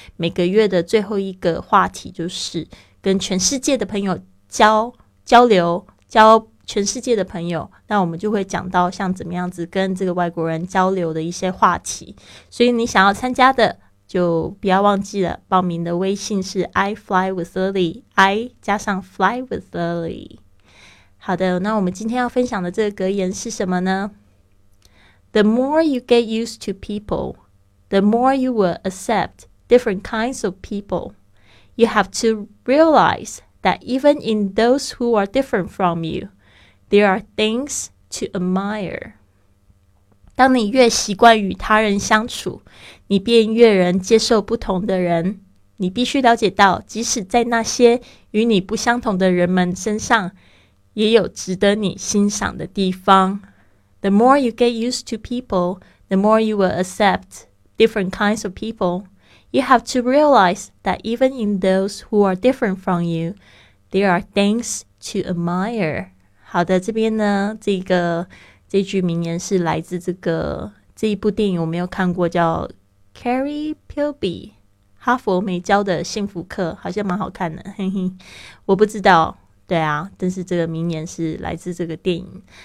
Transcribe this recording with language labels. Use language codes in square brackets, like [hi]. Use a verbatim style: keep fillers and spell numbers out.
[zh] 每个月的最后一个话题就是跟全世界的朋友交交流，交全世界的朋友，那我们就会讲到像怎么样子跟这个外国人交流的一些话题，所以你想要参加的就不要忘记了，报名的微信是 I fly with Lily I 加上 fly with Lily。好的，那我们今天要分享的这个格言是什么呢？ [en] The more you get used to people, the more you will accept different kinds of people. You have to realize that even in those who are different from you, there are things to admire. [zh] 当你越习惯与他人相处，你便越能接受不同的人。你必须了解到，即使在那些与你不相同的人们身上，也有值得你欣赏的地方。 [en] The more you get used to people, the more you will accept different kinds of people. You have to realize that even in those who are different from you, there are things to admire. [zh] 好的，这边呢，这个这句名言是来自这个这一部电影，我没有看过，叫 Carrie Pilby 哈佛没教的幸福课，好像蛮好看的，嘿嘿，我不知道，对啊，但是这个名言是来自这个电影。